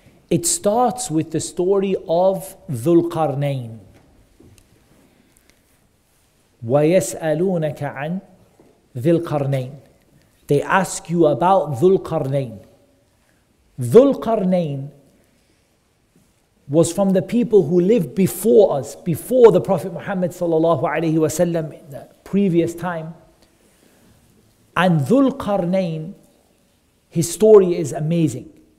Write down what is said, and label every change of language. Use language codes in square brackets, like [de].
[en] It starts with the story of Dhulqarnain. [ar] وَيَسْأَلُونَكَ عَنْ Dhulqarnain. [en] They ask you about Dhulqarnain. Dhulqarnain was from the people who lived before us, before the Prophet Muhammad sallallahu alaihi wasallam in the previous time. And Dhulqarnain, his story is amazing.